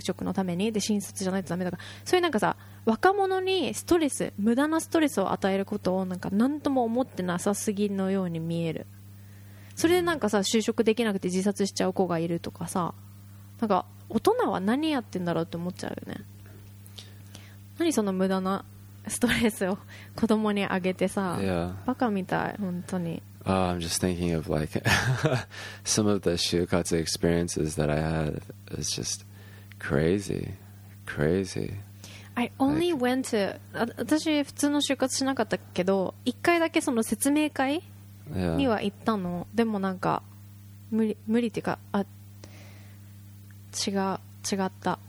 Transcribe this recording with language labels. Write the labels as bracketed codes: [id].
[ja] お互い気に入れば、お互い一緒に働くっていうものであって、別になんか企業に選ばれるとかさ、選んでいただくみたいなことじゃないはずなのに、本来は。だって企業だって人が必要なんだから、あのファンクションするためには。でもなんかそれが抜け落ちてるし、日本はなんか受験もそう、センター試験が1日しかないとか、説明会に全部行かないといけないとか、就職のためにで、新卒じゃないとダメとか、そういうなんかさ、 若者にストレス、無駄なストレスを与えることをなんか何とも思ってなさすぎるように見える。それでなんかさ、就職できなくて自殺しちゃう子がいるとかさ、なんか大人は何やってんだろうって思っちゃうよね。何その無駄なストレスを子供にあげてさ、バカみたい本当に。 [en] I'm just thinking of like some of the 就活 experiences that I had. It's just crazy, crazy. I only went to [ja] 私普通の就活しなかったけど、一回だけその説明会には行ったの。でもなんか無理、無理っていうか、あ、違う、違った。